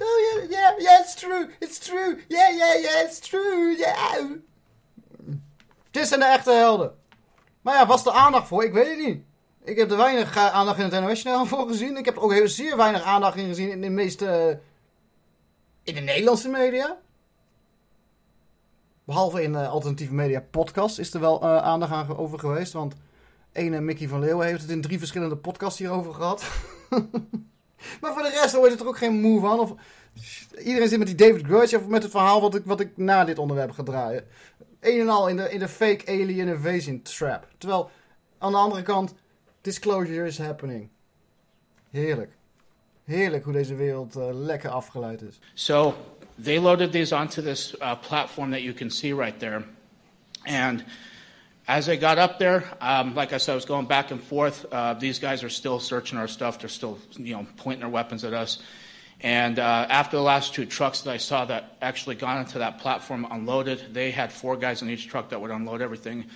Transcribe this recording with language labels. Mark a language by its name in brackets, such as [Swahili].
[English] Oh yeah, yeah, yeah, it's true, it's true. Yeah, yeah, yeah, it's true, yeah. [Dutch] Dit zijn de echte helden. Maar ja, was er aandacht voor? Ik weet het niet. Ik heb er weinig aandacht in het NOS-journaal voor gezien. Ik heb er ook heel zeer weinig aandacht in gezien in de meeste in de Nederlandse media. Behalve in de alternatieve media podcast is er wel aandacht aan over geweest. Want ene Mickey van Leeuwen heeft het in drie verschillende podcasts hierover gehad. Maar voor de rest hoort het er ook geen moe van. Of iedereen zit met die David Grutch of met het verhaal wat ik na dit onderwerp ga draaien. Een en al in de [English] fake alien invasion trap. [Dutch] Terwijl aan de andere kant, [English] disclosure is happening. [Dutch] Heerlijk. Heerlijk hoe deze wereld lekker afgeleid is. [English] So, they loaded these onto this platform that you can see right there. And as I got up there, like I said, I was going back and forth. These guys are still searching our stuff. They're still, pointing their weapons at us. And after the last two trucks that I saw that actually got onto that platform unloaded, they had four guys in each truck that would unload everything.